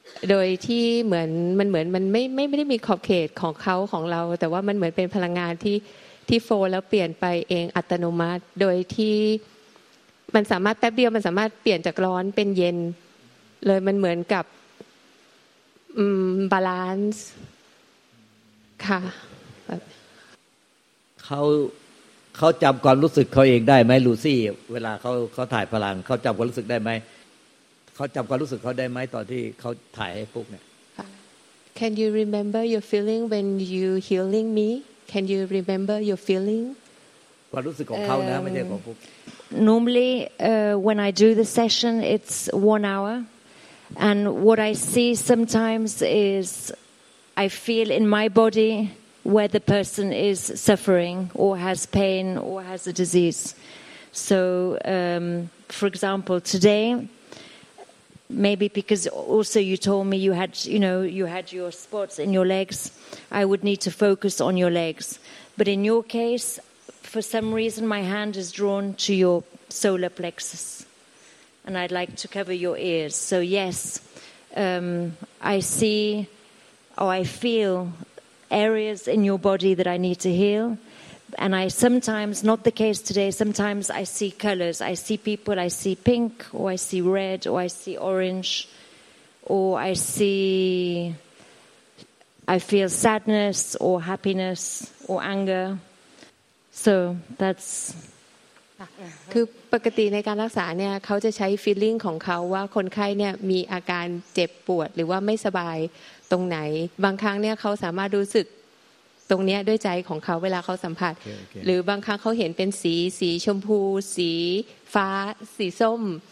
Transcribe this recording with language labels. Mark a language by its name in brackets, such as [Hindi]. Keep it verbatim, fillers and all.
[Thai] โดยที่เหมือนมันเหมือนมันไม่ไม่ไม่ได้มีขอบเขตของเขาของเราแต่ว่ามันเหมือนเป็นพลังงานที่ที่โฟแล้วเปลี่ยนไปเองอัตโนมัติโดยที่มันสามารถแป๊บเดียวมันสามารถเปลี่ยนจากร้อนเป็นเย็นเลยมันเหมือนกับอืมบาลานซ์ค่ะ เขาเขาจำความรู้สึกเขาเองได้ไหมลูซี่เวลาเขาเขาถ่ายพลังเขาจำความรู้สึกได้ไหมเขาจำความรู้สึกเขาได้ไหมตอนที่เขาถ่ายให้พวกเนี่ย [English] Can you remember your feeling when you healing me? Can you remember your feeling? [Thai] ความรู้สึกของเขานะไม่ใช่ของพวก [English] Normally uh, when I do the session it's one hour and what I see sometimes is I feel in my body where the person is suffering or has pain or has a disease. So, um, for example, today, maybe because also you told me you had, you know, you had your spots in your legs, I would need to focus on your legs. But in your case, for some reason, my hand is drawn to your solar plexus, and I'd like to cover your ears. So, yes, um, I see or I feel areas in your body that I need to heal and I sometimes not the case today sometimes I see colors I see people I see pink or I see red or I see orange or I see I feel sadness or happiness or anger so that's [Thai] คือปกติในการรักษาเนี่ยเขาจะใช้ feeling ของเขาว่าคนไข้เนี่ยมีอาการเจ็บปวดหรือว่าไม่สบายตรงไหนบางครั้งเนี่ยเขาสามารถรู้สึกตรงเนี้ยด้วยใจของเขาเวลาเขาสัมผัส [English] okay, okay. [Thai] หรือบางครั้งเขาเห็นเป็นสีสีชมพูสีฟ้าสีส้ม